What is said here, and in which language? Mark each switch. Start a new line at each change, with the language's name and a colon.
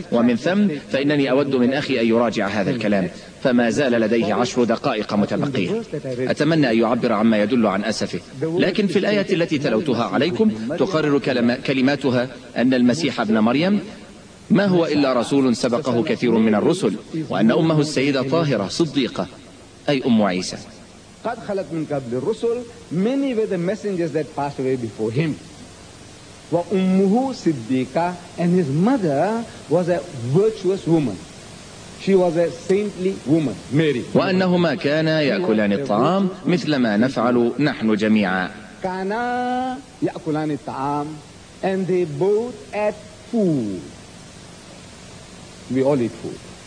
Arabic: ومن ثم فإنني أود من أخي أن يراجع هذا الكلام، فما زال لديه 10 دقائق متبقية، أتمنى أن يعبر عما يدل عن أسفه. لكن في الآية التي تلوتها عليكم تقرر كلماتها أن المسيح ابن مريم ما هو إلا رسول سبقه كثير من الرسل، وأن أمه السيدة طاهرة صديقة، أي أم عيسى. قد خلت من قبل الرسل،
English: many were the messengers that passed away before him.
Arabic: وأمه صديقة،
English: and his mother was a virtuous woman. She was a saintly woman, Mary.
Arabic: وأنهما كانا يأكلان الطعام مثلما نفعل نحن جميعا. كانا يأكلان الطعام،
English: and they both ate food. We all eat food.